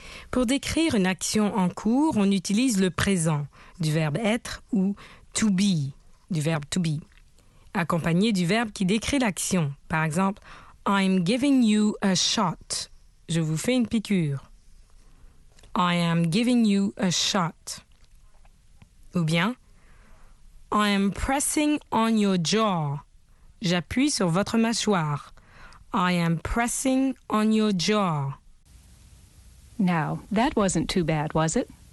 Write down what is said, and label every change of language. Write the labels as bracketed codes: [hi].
[fr] Pour décrire une action en cours, on utilise le présent du verbe être ou to be, du verbe to be, accompagné du verbe qui décrit l'action. Par exemple, [en] I'm giving you a shot. [fr] Je vous fais une piqûre. [en] I am giving you a shot. [fr] Ou bien, [en] I am pressing on your jaw. [fr] J'appuie sur votre mâchoire. [en] I am pressing on your jaw. Now, that wasn't too bad, was it?